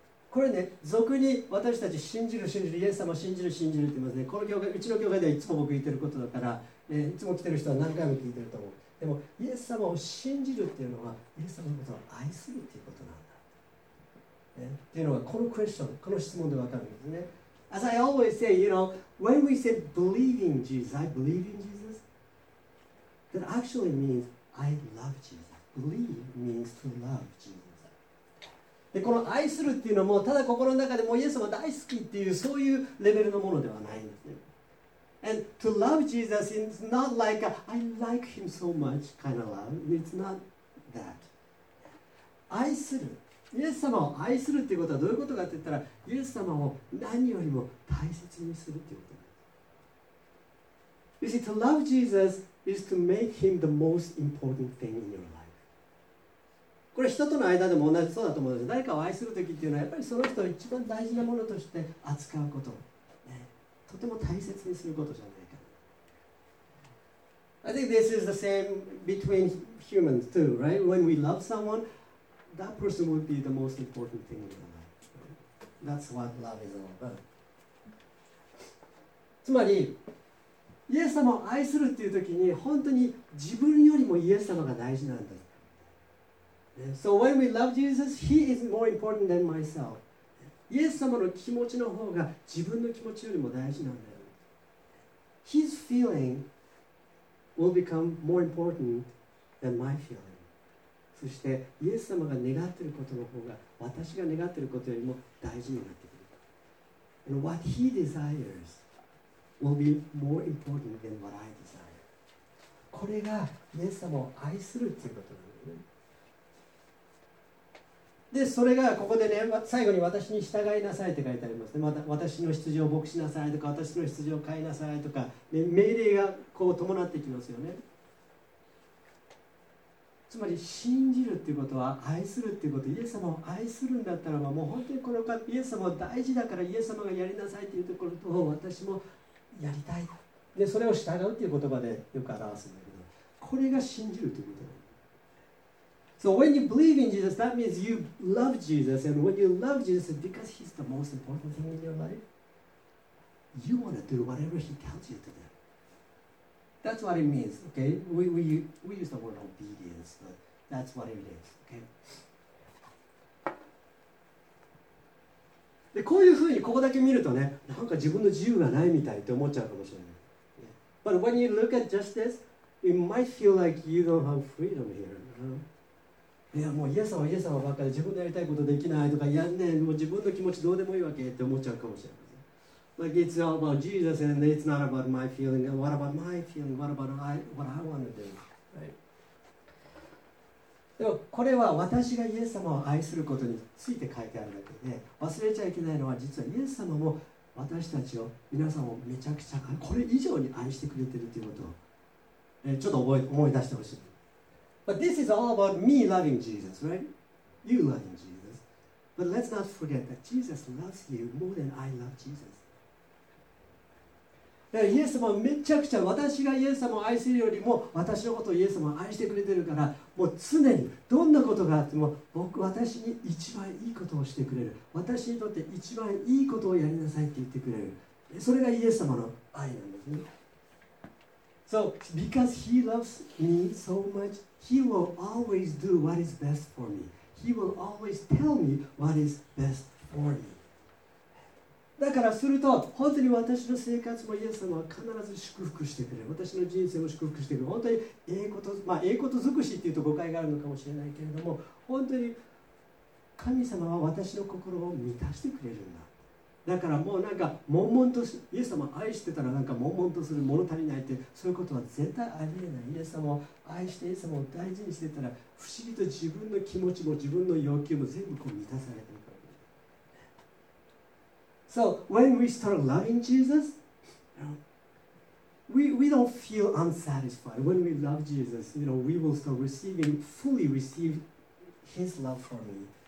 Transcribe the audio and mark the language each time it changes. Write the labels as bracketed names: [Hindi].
[Japanese] これね、俗に私たち信じる信じる、イエス様を信じる信じるって言いますね。この教会、うちの教会ではいつも僕言ってることだから、いつも来てる人は何回も聞いてると思う。でもイエス様を信じるっていうのは、イエス様のことを愛するっていうことなんだ、っていうのがこのクエスチョン、この質問でわかるんですね。 [English] As I always say, you know, when we say believe in Jesus, I believe in Jesus, that actually means I love Jesus. Believe means to love Jesus. [Japanese] でこの愛するっていうのもただ心の中でもイエス様大好きっていうそういうレベルのものではないんですね。 [English] And to love Jesus is not like a, I like him so much kind of love. It's not that. [Japanese] 愛するイエス様を愛するっていうことはどういうことかって言ったら、イエス様を何よりも大切にするっていうことなんです。 [English] You see, to love Jesus is to make him the most important thing in your life. [Japanese] これ人との間でも同じそうだと思うんです。誰かを愛するときっていうのはやっぱりその人を一番大事なものとして扱うこと、とても大切にすることじゃないかな。 [English] I think this is the same between humans too, right? When we love someone, that person would be the most important thing in our life. That's what love is all about. [Japanese] つまり、イエス様を愛するっていうときに本当に自分よりもイエス様が大事なんだ。 [English] So when we love Jesus, He is more important than myself. [Japanese] イエス様の気持ちの方が自分の気持ちよりも大事なんだよ。 [English] His feeling will become more important than my feeling. [Japanese] そしてイエス様が願っていることの方が私が願っていることよりも大事になってくる。 [English] And what He desires will be more important than what I desire. [Japanese] これがイエス様を愛するということなんだよね。でそれがここでね、最後に私に従いなさいって書いてありますね。また私の羊を牧しなさいとか、私の羊を飼いなさいとか、ね、命令がこう伴ってきますよね。つまり信じるっていうことは愛するっていうこと、イエス様を愛するんだったらば、もう本当にこのイエス様は大事だから、イエス様がやりなさいっていうところと私もやりたい、でそれを従うっていう言葉でよく表すんだけど、これが信じるということだ。 [English] So when you believe in Jesus, that means you love Jesus. And when you love Jesus, because He's the most important thing in your life, you want to do whatever He tells you to do. That's what it means, okay? We use the word obedience, but that's what it is, okay? [Japanese] で、こういうふうにここだけ見るとね、なんか自分の自由がないみたいって思っちゃうかもしれない。 [English] Yeah. But when you look at just this, it might feel like you don't have freedom here, you know? [Japanese] いやもうイエス様イエス様ばっかり、自分でやりたいことできないとか、やんねえ、もう自分の気持ちどうでもいいわけって思っちゃうかもしれません。 [English] Like it's all about Jesus and it's not about my feeling. What about my feeling? What about what I want to do? Right. [Japanese] でもこれは私がイエス様を愛することについて書いてあるだけで、忘れちゃいけないのは、実はイエス様も私たちを、皆さんをめちゃくちゃこれ以上に愛してくれてるということを、ちょっと思い出してほしい。 [English] But this is all about me loving Jesus, right? You loving Jesus. But let's not forget that Jesus loves you more than I love Jesus. [Japanese] だからイエス様はめちゃくちゃ、私がイエス様を愛するよりも私のことをイエス様は愛してくれてるから、もう常にどんなことがあっても僕、私に一番いいことをしてくれる、私にとって一番いいことをやりなさいって言ってくれる、それがイエス様の愛なんですね。 [English] So, because He loves me so much, He will always do what is best for me. He will always tell me what is best for me. [Japanese] だからすると、本当に私の生活もイエス様は必ず祝福してくれる。私の人生も祝福してくれる。本当に栄光と、まあ栄光と尽くしっていうと誤解があるのかもしれないけれども、本当に神様は私の心を満たしてくれるんだ。だからもうなんか悶々とし、イエス様を愛してたらなんか悶々とする、物足りないって、そういうことは絶対ありえない。イエス様を愛して、イエス様を大事にしてたら、不思議と自分の気持ちも自分の要求も全部こう満たされてるから。 [English] So when we start loving Jesus, we don't feel unsatisfied. When we love Jesus, you know, we will start receiving, fully receive His love for me.